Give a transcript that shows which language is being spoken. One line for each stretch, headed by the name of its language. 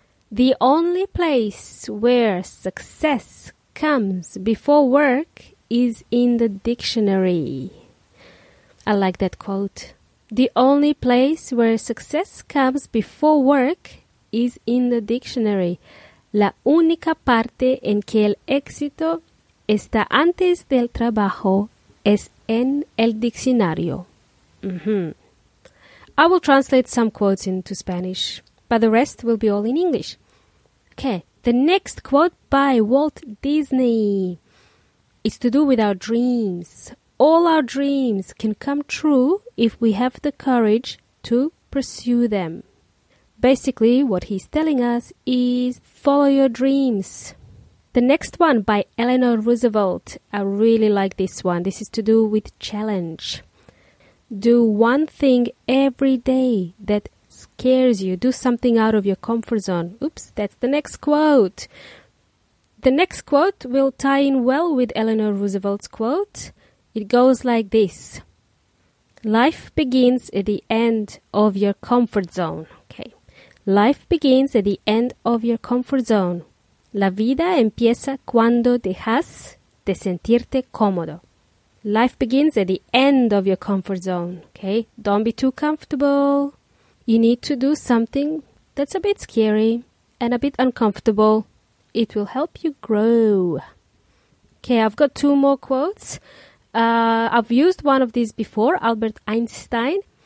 English: The only place where success comes before work is in the dictionary. I like that quote. The only place where success comes before work is in the dictionary.
Spanish: La única parte en que el éxito está antes del trabajo es en el diccionario. Mm-hmm.
English: I will translate some quotes into Spanish, but the rest will be all in English. Okay, the next quote by Walt Disney is to do with our dreams. All our dreams can come true if we have the courage to pursue them. Basically, what he's telling us is follow your dreams. The next one by Eleanor Roosevelt. I really like this one. This is to do with challenge. Do one thing every day that scares you. Do something out of your comfort zone. Oops, that's the next quote. The next quote will tie in well with Eleanor Roosevelt's quote. It goes like this. Life begins at the end of your comfort zone. Okay. Life begins at the end of your comfort zone.
Spanish: La vida empieza cuando dejas de sentirte cómodo.
English: Life begins at the end of your comfort zone. Okay. Don't be too comfortable. You need to do something that's a bit scary and a bit uncomfortable. It will help you grow. Okay, I've got two more quotes. I've used one of these before, Albert Einstein.